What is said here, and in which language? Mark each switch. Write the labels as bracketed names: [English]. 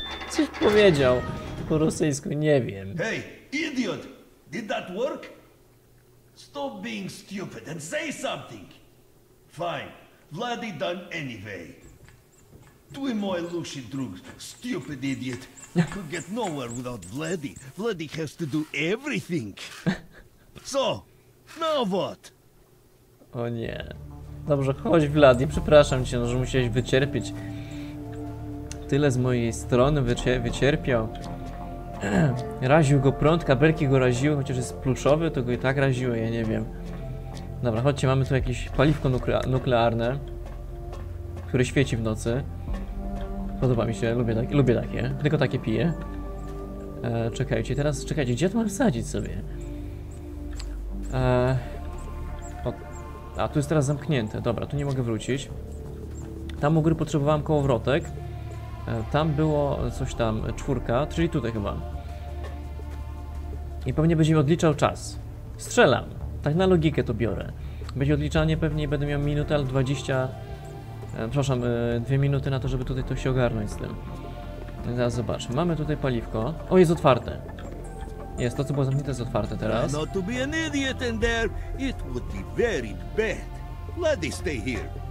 [Polish] Coś powiedział po rosyjsku, nie wiem. [English] Hey, idiot! Did that work? Stop being stupid and say something! Fine, Vladi done anyway. [Russian] Twój moj lusi drug, [English] stupid idiot. Could get nowhere without Vladi. Vladi has to do everything. So, now what? [Polish] O nie. Dobrze, chodź Vladi, przepraszam cię, że musiałeś wycierpieć. Tyle z mojej strony wycierpiał. Raził go prąd, kabelki go raziły, chociaż jest pluszowy, to go i tak raziły, ja nie wiem. Dobra, chodźcie, mamy tu jakieś paliwko nuklearne, które świeci w nocy. Podoba mi się, lubię takie, tylko takie piję. Czekajcie, teraz czekajcie, gdzie to mam wsadzić sobie? Tu jest teraz zamknięte, dobra, tu nie mogę wrócić. Tam u góry potrzebowałem kołowrotek. Tam było coś tam, czwórka, czyli tutaj chyba. I pewnie będzie mi odliczał czas. Strzelam, tak na logikę to biorę. Będzie odliczanie, pewnie będę miał minutę, ale 20... Przepraszam, 2 minuty na to, żeby tutaj to się ogarnąć z tym. Teraz zobaczmy. Mamy tutaj paliwko. O, jest otwarte. Jest to, co było zamknięte, jest otwarte teraz. [English] Not to be an idiot in there. It would be very bad. Let me stay here.